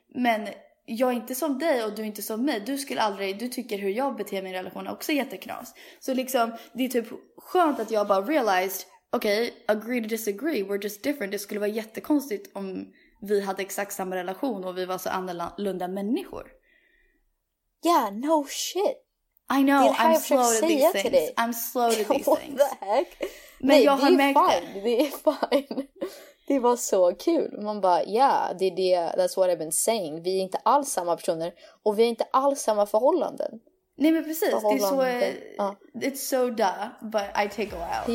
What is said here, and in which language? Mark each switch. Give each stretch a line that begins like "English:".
Swedish: Men jag är inte som dig och du är inte som mig. Du tycker hur jag beter min relation är också jätteknas. Så liksom, det är typ skönt att jag bara
English: realized, agree to disagree, we're just different.
Swedish: Det skulle vara jättekonstigt om vi hade exakt samma relation och vi var så annorlunda människor.
English: Yeah, no shit. I know, I'm slow to these things. I'm slow to these things. What the heck?
Swedish: Men nej, jag har märkt det. Det är fine. Det var så kul. Man bara,
English: that's what I've been saying.
Swedish: Vi är inte alls samma personer. Och vi är inte alls samma förhållanden. Nej, men precis.
English: It's so duh, but I take a while.